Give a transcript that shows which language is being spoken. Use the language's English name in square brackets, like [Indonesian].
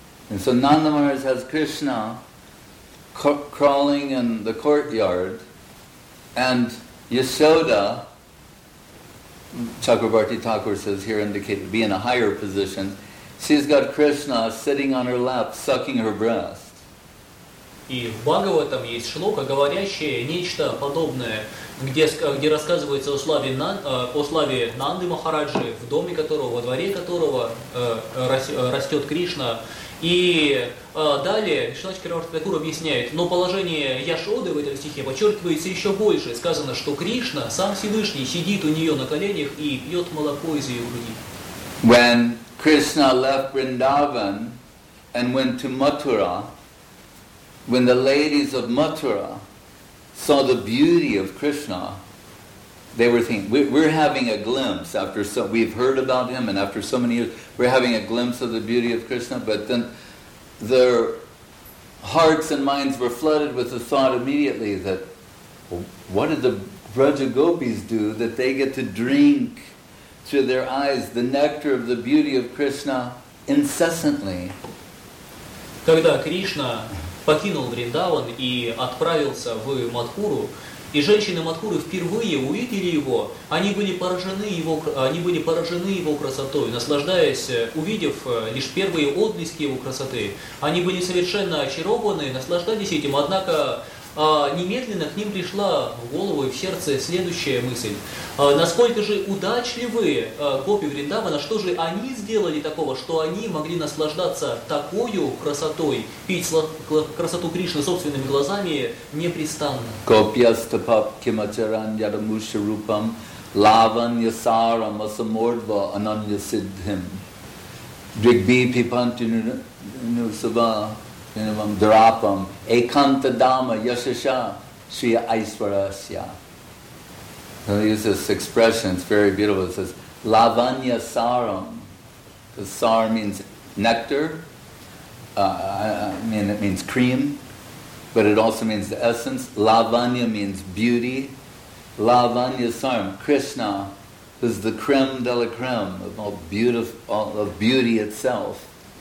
[English] And so Nanda Maharaj has Krishna crawling in the courtyard, and Yashoda, Chakrabarti Thakur says here indicated to be in a higher position, she's got Krishna sitting on her lap sucking her breast. [Russian] И в Бхагаватам есть шлока, говорящая нечто подобное, где рассказывается о славе Нанды Махараджи, в доме которого, во дворе которого растет Кришна. И далее Шачкарварти Такур объясняет, но положение Яшоды в этом стихе подчеркивается еще больше. Сказано, что Кришна, сам Всевышний, сидит у нее на коленях и пьет молоко из ее груди. [English] When Krishna left Vrindavan and went to Mathura, when the ladies of Mathura saw the beauty of Krishna, they were thinking, we're having a glimpse after so, we've heard about him and after so many years, we're having a glimpse of the beauty of Krishna, but then their hearts and minds were flooded with the thought immediately that, what did the Braja Gopis do that they get to drink through their eyes the nectar of the beauty of Krishna incessantly? [Russian] Когда Кришна покинул Вриндаван и отправился в Матхуру, и женщины Матхуры впервые увидели его, они были поражены его красотой, наслаждаясь, увидев лишь первые отблески его красоты. Они были совершенно очарованы, наслаждались этим, однако немедленно к ним пришла в голову и в сердце следующая мысль. Насколько же удачливы гопи Вриндавана, что же они сделали такого, что они могли наслаждаться такой красотой, пить красоту Кришны собственными глазами непрестанно. [Sanskrit] Копья стопап кимачаран ядамуша рупам лаван ясарам асамордва ананья сиддхим дригби пипанти нусава Drapam, Ekanta Dhamma, Yashasha, Sri Aishwarasya. [English] He uses this expression, it's very beautiful. It says, Lavanya Saram. The sar means nectar. It means cream. But it also means the essence. Lavanya means beauty. Lavanya Saram, Krishna, who's the creme de la creme of all beautiful, of beauty itself.